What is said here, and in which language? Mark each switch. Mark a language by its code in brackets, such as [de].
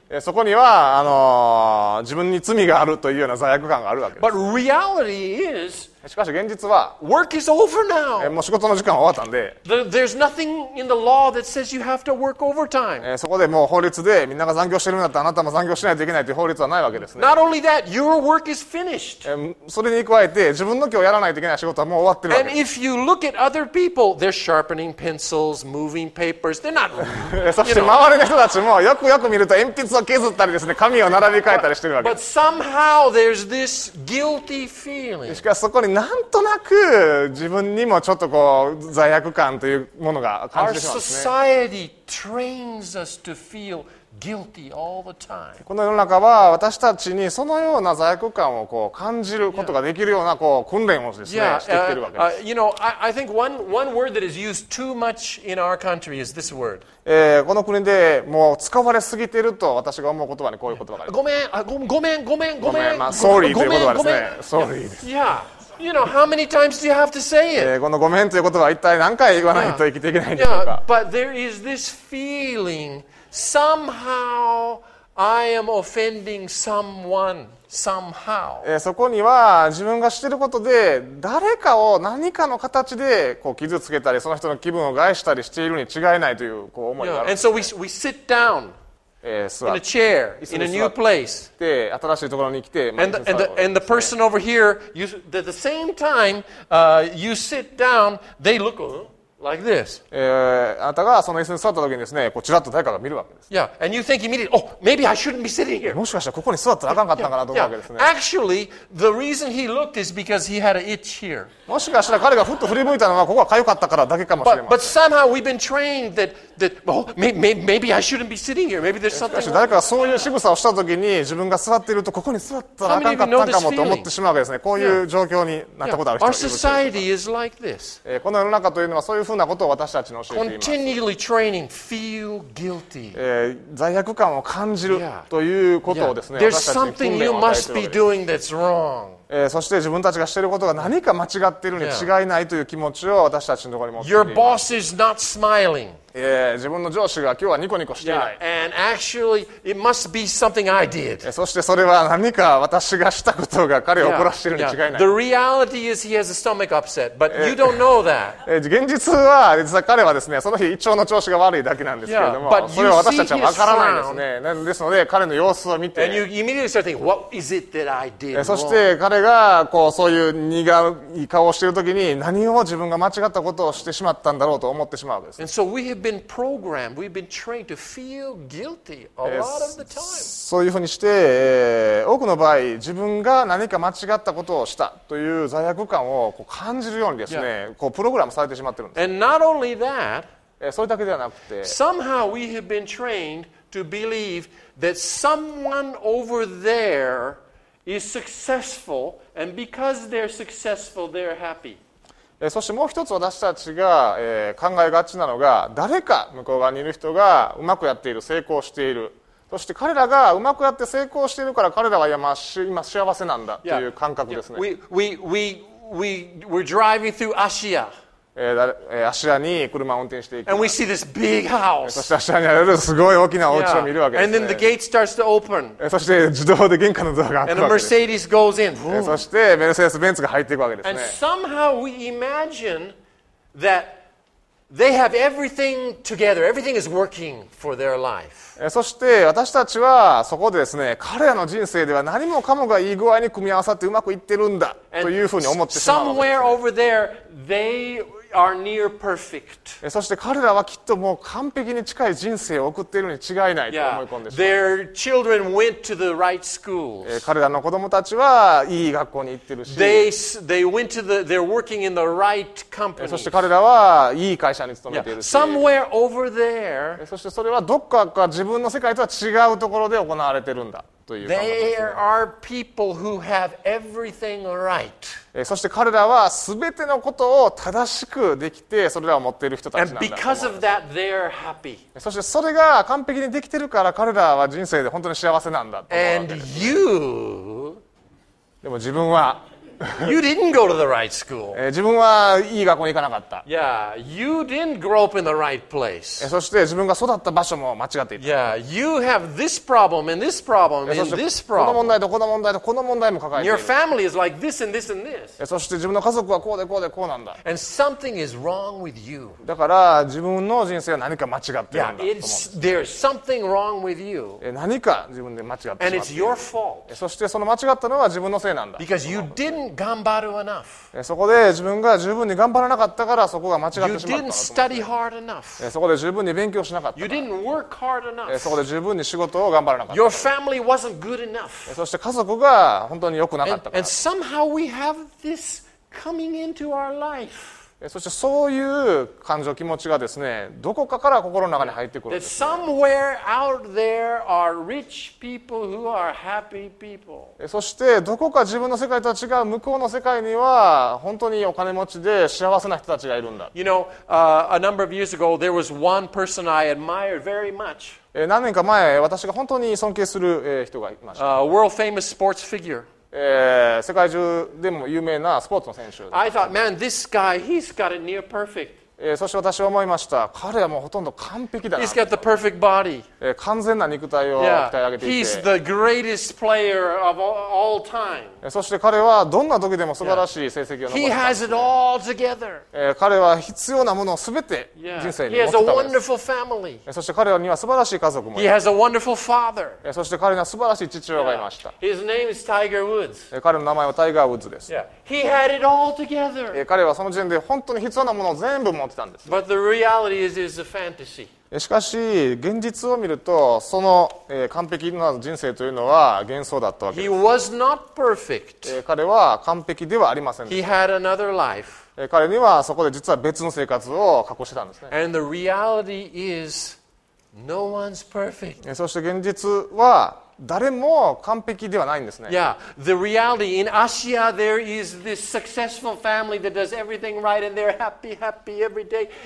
[ja] そこには自分に罪があるというような罪悪感があるわけです。 [en] But reality is, [ja] しかし現実は [en] work is over now. [ja] もう仕事の時間は終わったんで [en] there's nothing in the law that says you have to work overtime. [ja] そこでもう法律でみんなが残業してるんだったらあなたも残業しないといけないという法律はないわけですね。 [en] Not only that, your work is finished. [ja] それに加えて自分の今日やらないといけない仕事はもう終わってるわけです。 [en] And if you look at other people, they're sharpening pencils, moving papers, they're not [ja] そして周りの人たちもよくよく見ると鉛筆を削ったりですね、紙を並び替えたりしてるわけです。 [en] But somehow there's this guilty feeling. [ja] しかしそこになんとなく自分にもちょっとこう罪悪感というものが感じてしまうんですね。 [en] Our society trains us to feel guilty all the time. [ja] この世の中は私たちにそのような罪悪感をこう感じることができるようなこう訓練をですね、してきてるわけです。 [en] You know, I think one word that is used too much in our country is this word. [ja] この国でもう使われすぎていると私が思う言葉にこういう言葉があります。ごめん、まあ、Sorry という言葉ですね。 Sorry です。 [en] You know, how many times do you have to say it? [ja] このごめんという言葉は一体何回言わないと生きていけないんでしょうか。 [en] But there is this feeling somehow I am offending someone. Somehow. [ja] そこには自分がしていることで誰かを何かの形でこう傷つけたりその人の気分を害したりしているに違いないとい う, こう思いがある。 [en] Yeah. And so we sit down in a chair in a new place. [ja] で新しいところに来て、 [en] ね、and the person over here, you, at the same time, you sit down, they look. Like this. [ja] あなたがその椅子に座った時にですね、こうちらっと誰かが見るわけです。 [en] Yeah. And you think immediately, oh, maybe I shouldn't be sitting here. [ja] もしかしたらここに座ったらあかんかったかなと思うわけですね。 [en] Yeah. Actually, the reason he looked is because he had an itch here. [ja] もしかしたら彼がふっと振り向いたのはここが痒かったからだけかもしれません。 [en] But somehow we've been trained that oh, maybe I shouldn't be sitting here. Maybe there's something. [ja] しかし誰かがそういう仕草をした時に自分が座っているとここに座ったらあかんかったかもと思ってしまうわけですね。こういう状況になったことある人 [en] は。Our society is like this. [ja] この世の中というのはそういうふうなことを私たちに教えています [en] 。 Training, feel guilty. [ja] 罪悪感を感じる、yeah. ということをですね、 yeah. 私たちに訓練を与えているわけです。そして自分たちがしていることが何か間違っているに違いないという気持ちを私たちのところに持っ [en] ています。 Your boss is not smiling. [ja] 自分の上司が今日はニコニコしていない。 [en] yeah. And actually, it must be something I did. [ja] そしてそれは何か私がしたことが彼を怒らせているに違いない。 [en] yeah. Yeah. The reality is he has a stomach upset, but you don't know that. [ja] 現実は実は彼はですね、その日胃腸の調子が悪いだけなんですけれども、 [en] yeah. [ja] それは私たちは分からないですね。ですので彼の様子を見て、 [en] And you immediately start thinking, what is it that I did wrong? [ja] そして彼がこうそういう苦い顔をしているときに何を自分が間違ったことをしてしまったんだろうと思ってしまうわけです。 [en] And so we have been programmed, we've been trained to feel guilty a lot of the time. [ja] そういうふうにして、多くの場合自分が何か間違ったことをしたという罪悪感をこう感じるようにですね、yeah. こうプログラムされてしまってるんです。 [en] And not only that, [ja] それだけではなくて、 [en] somehow we have been trained to believe that someone over thereis successful, and because they're successful, they're happy. [ja] そしてもう一つ私たちが、考えがちなのが、誰か向こう側にいる人がうまくやっている、成功している。そして彼らがうまくやって成功しているから彼らは今幸せなんだという感覚ですね。 [en] We're driving through Asia. [ja] アシアに車を運転していく。 [en] And we see this big house. [ja] そしてアシアにあるすごい大きなお家を見るわけです、ね。 [en] And then the gate starts to open. [ja] そして自動で玄関のドアが開くわけです。 [en] And a Mercedes goes in. [ja] そしてメルセデス・ベンツが入っていくわけですね。 [en] And somehow we imagine that they have everything together. Everything is working for their life. [ja] そして私たちはそこでですね、彼らの人生では何もかもがいい具合に組み合わさってうまくいってるんだというふうに思ってしまうわけです。 [en] Somewhere over there, they are near perfect. [ja] そして彼らはきっともう完璧に近い人生を送っているに違いないと思い込んでしまう。 [en] Their children went to the right schools. [ja] 彼らの子供たちはいい学校に行ってるし。 [en] They're working in the right company. [ja] そして彼らはいい会社に勤めているし。 [en] Somewhere over there. [ja] そしてそれはどっかか自分の世界とは違うところで行われてるんだという感覚ですね。 [en] There are people who have everything right. [ja] そして彼らは全てのことを正しくできて、それらを持っている人たちなんだ。 [en] And because of that, they're happy. [ja] そしてそれが完璧にできてるから彼らは人生で本当に幸せなんだと思うわけです。 [en] And you... [ja] でも自分は [en] You didn't go to the right school. [ja] 自分はいい学校に行かなかった。 [en] Yeah, you didn't grow up in the right place. [ja] そして自分が育った場所も間違っていた。 [en] Yeah, you have this problem and this problem and this problem. [ja] この問題とこの問題とこの問題も抱えている。 [en] Your family is like this and this and this. [ja] そして自分の家族はこうでこうでこうなんだ。 [en] And something is wrong with you. [ja] だから自分の人生は何か間違っているんだ。 [en] Yeah, there's something wrong with you. [ja] 何か自分で間違ってしまっている。 [en] And it's your fault. [ja] そしてその間違ったのは自分のせいなんだ。 [en] Because you didn't頑張る enough. [ja] そこで自分が十分に頑張らなかったからそこが間違ってしまったと思って。 [en] You didn't study hard enough. [ja] そこで十分に勉強しなかった。 [en] You didn't work hard enough. [ja] そこで十分に仕事を頑張らなかった。 [en] Your family wasn't good enough. [ja] そして家族が本当に良くなかったから。 [en] And somehow we have this coming into our life. [ja] そしてそういう感情気持ちがですね、どこかから心の中に入ってくるんです。 [en] That somewhere out there are rich people who are happy people. [ja] そしてどこか自分の世界とは違う向こうの世界には本当にお金持ちで幸せな人たちがいるんだ。 [en] You know, a number of years ago, there was one person I admired very much. [ja] 何年か前、私が本当に尊敬する人がいました。 [en] World famous sports figure. [ja] 世界中でも有名なスポーツの選手。 [en] I thought, man, this guy, he's got it near perfect. [ja] そして私は思いました。彼はもうほとんど完璧だな。 [en] He's got the perfect body. [ja] 完全な肉体を鍛え上げていて。 [en] Yeah. He's the greatest player of all time. [ja] そして彼はどんな時でも素晴らしい成績を残 [en] した。He has it all together. [ja] 彼は必要なものをすべて人生に持ってたわけです。 [en] He has a wonderful family. [ja] そして彼には素晴らしい家族もい [en] る。He has a wonderful father. [ja] そして彼には素晴らしい父親がいました。 [en] Yeah. His name is Tiger Woods. [ja] 彼の名前はタイガー・ウッズです。 [en] Yeah. He had it all together. [ja] 彼はその時点で本当に必要なものを全部持ってってたんです。 [en] But the reality is a fantasy. [ja] しかし現実を見るとその完璧な人生というのは幻想だったわけです。 [en] He was not perfect. [ja] 彼は完璧ではありませんでした。 [en] He had another life. [ja] 彼にはそこで実は別の生活を過ごしてたんですね。 [en] And the reality is no one's perfect. [ja] そして現実は誰も完璧ではないんですね。 [en] Yeah, the reality in Asia there is this successful family that does everything right and they're happy, happy every day.